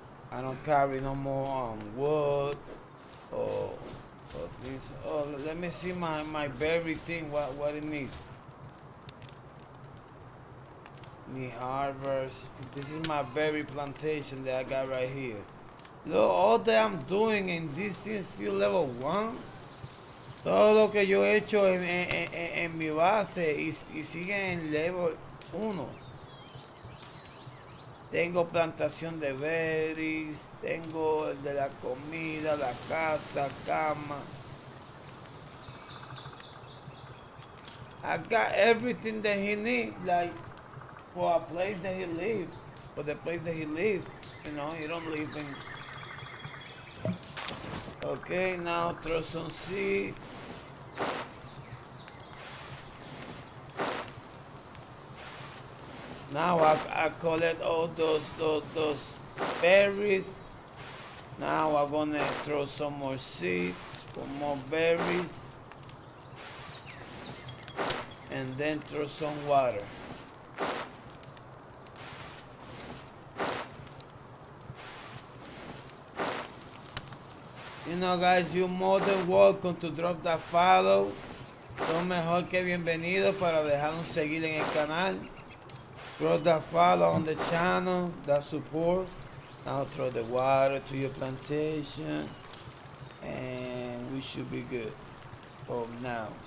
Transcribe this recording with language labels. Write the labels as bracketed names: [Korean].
[English] I don't carry no more wood or this. Oh, let me see my berry thing, what it needs. Need harvest. This is my berry plantation that I got right here. Look, all that I'm doing in this thing is still level one. [Spanish] Todo lo que yo he hecho en mi base y sigue en level 1. Tengo plantación de berries, tengo el de la comida, la casa, cama. [English] I got everything that he needs, like, for a place that he lives. For the place that he lives, you know, he don't live in. Okay, now throw some seed. Now I collect all those berries. Now I'm gonna throw some more seeds for more berries. And then throw some water. You know, guys, you're more than welcome to drop that follow. [Spanish] Son mejor que bienvenidos para dejarnos seguir en el canal. [English] Throw that follow on the channel, that support. Now throw the water to your plantation. And we should be good for now.